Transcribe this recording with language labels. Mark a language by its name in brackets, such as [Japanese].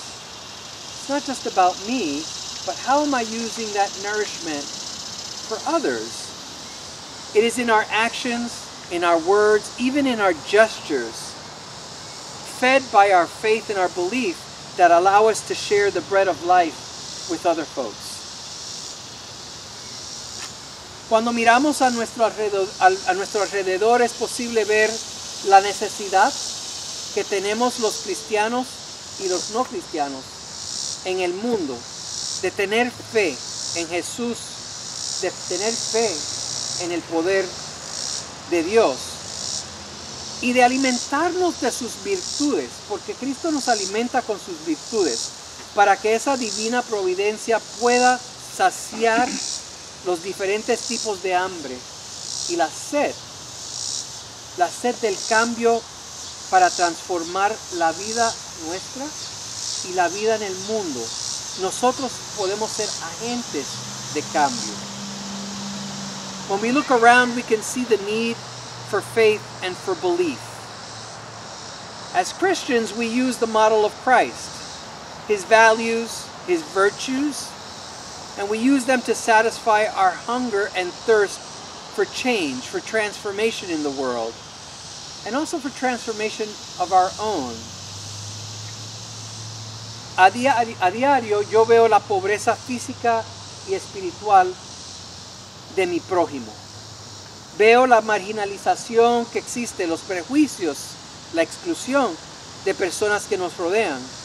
[English] It's not just about me, but how am I using that nourishment for others? It is in our actions, in our words, even in our gestures, fed by our faith and our belief that allow us to share the bread of life with other folks. [Spanish] Cuando miramos a nuestro alrededor, es posible ver la necesidad que tenemos los cristianos y los no cristianos en el mundo de tener fe en Jesús, de tener fe en el poder de Dios. y de alimentarnos de sus virtudes, porque Cristo nos alimenta con sus virtudes, para que esa divina providencia pueda saciar los diferentes tipos de hambre y la sed del cambio para transformar la vida nuestra y la vida en el mundo. Nosotros podemos ser agentes de cambio. [English] When we look around, we can see the need for faith and for belief. As Christians, we use the model of Christ, his values, his virtues, and we use them to satisfy our hunger and thirst for change, for transformation in the world, and also for transformation of our own. [Spanish] A diario, yo veo la pobreza física y espiritual de mi prójimo. Veo la marginalización que existe, los prejuicios, la exclusión de personas que nos rodean.